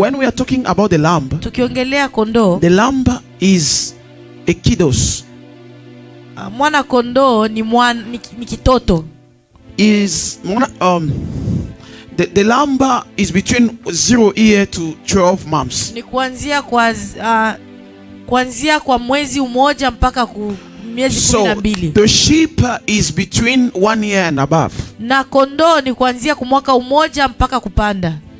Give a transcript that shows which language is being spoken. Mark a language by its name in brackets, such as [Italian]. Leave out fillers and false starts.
[English] When we are talking about the lamb, [Swahili] tukiongelea kondo, [English] the lamb is a kiddos. [Swahili] Mwana kondo ni mwana, ni kitoto. [English] Is mwana, the lamb is between 0 year to 12 months. [Swahili] Ni kuanzia kwa kuanzia kwa mwezi umoja mpaka ku miezi 12. [English] So the sheep is between 1 year and above. [Swahili] Na kondo ni kuanzia kwa mwaka umoja mpaka kupanda.